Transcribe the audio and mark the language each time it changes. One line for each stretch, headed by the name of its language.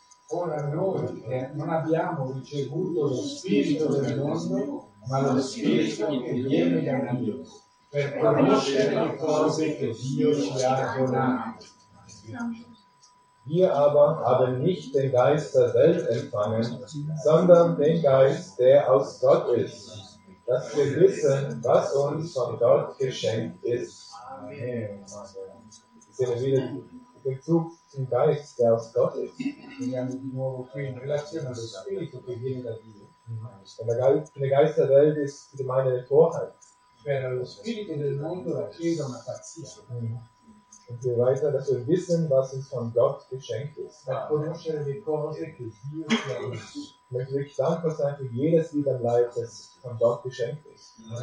Italian: Ora noi non abbiamo ricevuto lo spirito del mondo, ma lo spirito che viene da Dio, per conoscere le cose che Dio ci ha donato.
German: Wir aber haben nicht den Geist der Welt empfangen, sondern den Geist, der aus Gott ist. Dass wir wissen, was uns von Gott geschenkt ist. Amen. Ich sehe wieder den Bezug zum Geist, der aus Gott ist. Wir haben die
Italian: nuovo qui in relazione allo spirito che viene da Dio.
German: Denn der Geist der Welt ist die Gemeinde der Torheit.
Italian: Per lo spirito del mondo la chiesa una pazzia.
German: Und wir weiter, dass wir wissen, was uns von Gott geschenkt ist.
Italian: Da conoscere le cose che Dio ci ha dato.
German: Ich möchte wirklich dankbar sein für jedes Lied am Leib, das von Gott geschenkt ist.